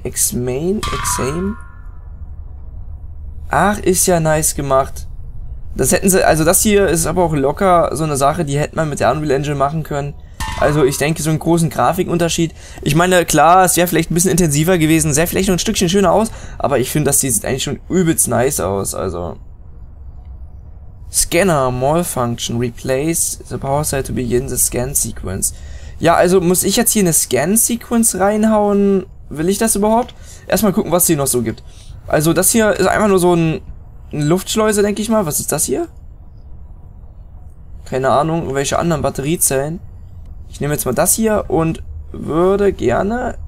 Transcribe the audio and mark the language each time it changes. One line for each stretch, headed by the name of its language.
German: X-Main, X-Aim. Ach, ist ja nice gemacht. Das hätten sie, also das hier ist aber auch locker so eine Sache, die hätte man mit der Unreal Engine machen können. Also ich denke, so einen großen Grafikunterschied. Ich meine, klar, es wäre vielleicht ein bisschen intensiver gewesen, sehr vielleicht noch ein Stückchen schöner aus, aber ich finde, das hier sieht eigentlich schon übelst nice aus, also.
English: Scanner, Mall Function, replace the power cell to begin the scan sequence.
German: Ja, also muss ich jetzt hier eine Scan-Sequence reinhauen? Will ich das überhaupt? Erstmal gucken, was es hier noch so gibt. Also das hier ist einfach nur so ein Luftschleuse, denke ich mal. Was ist das hier? Keine Ahnung, welche anderen Batteriezellen. Ich nehme jetzt mal das hier und würde gerne...